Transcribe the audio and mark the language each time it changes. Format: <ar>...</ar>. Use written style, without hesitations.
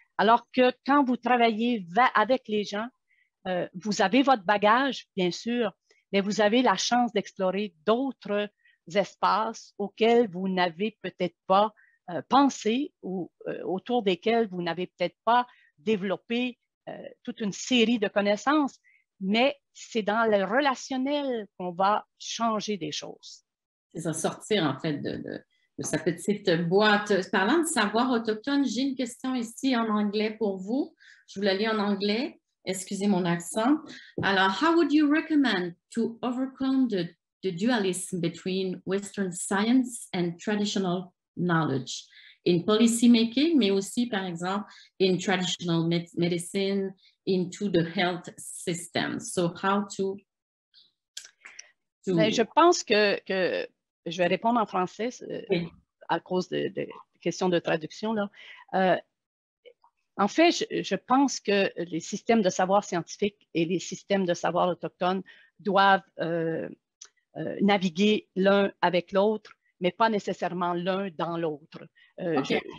<fr>Alors que quand vous travaillez avec les gens, vous avez votre bagage, bien sûr, mais vous avez la chance d'explorer d'autres espaces auxquels vous n'avez peut-être pas pensé ou autour desquels vous n'avez peut-être pas développé toute une série de connaissances, mais c'est dans le relationnel qu'on va changer des choses. C'est ça, sortir en fait de sa petite boîte. Parlant de savoir autochtone, j'ai une question ici en anglais pour vous. Je vous la lis en anglais. Excusez mon accent.</fr> <en>Alors, how would you recommend to overcome the dualism between Western science and traditional knowledge in policy making,</en> <fr>mais aussi, par exemple,</fr> <en>in traditional medicine into the health system? So how to...</en> <fr>Mais je pense que je vais répondre en français oui. À cause de questions de traduction là. En fait, je pense que les systèmes de savoir scientifique et les systèmes de savoir autochtones doivent naviguer l'un avec l'autre, mais pas nécessairement l'un dans l'autre. Okay.</fr>